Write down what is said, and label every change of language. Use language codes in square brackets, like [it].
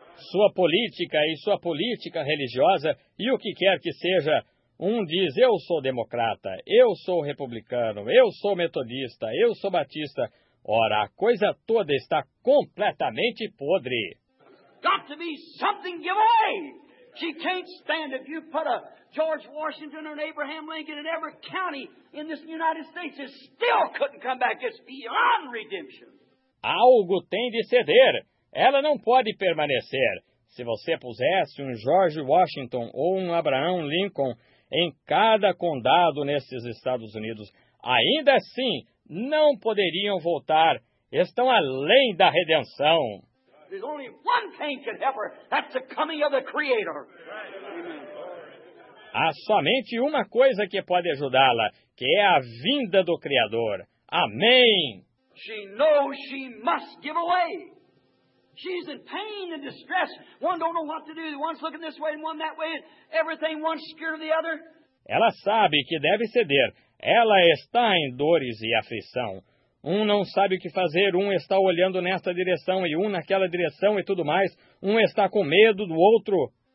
[pt] Sua política e sua política religiosa e o que quer que seja, um diz eu sou democrata, eu sou republicano, eu sou metodista, eu sou batista. Ora, a coisa toda está completamente podre. [en] Got to be something give away. She can't stand if you put a George Washington or an Abraham Lincoln in every county in this United States. It still couldn't come back. It's beyond redemption. [pt] Algo tem de ceder. Ela não pode permanecer. Se você pusesse um George Washington ou um Abraham Lincoln em cada condado nesses Estados Unidos, ainda assim não poderiam voltar. Estão além da redenção. [en] There's only one thing can help her. That's the coming of the Creator. [pt] Há somente uma coisa que pode ajudá-la, que é a vinda do Criador. Amém! [en] She knows she must give away. She's in pain and distress. One don't know what to do. One's looking this way and one that way. Everything, one's scared of the other. [pt] Ela sabe que deve ceder. Ela está em dores e aflição. Um não sabe o que fazer, um está olhando nesta direção e um naquela direção e tudo mais. Um está com medo do outro.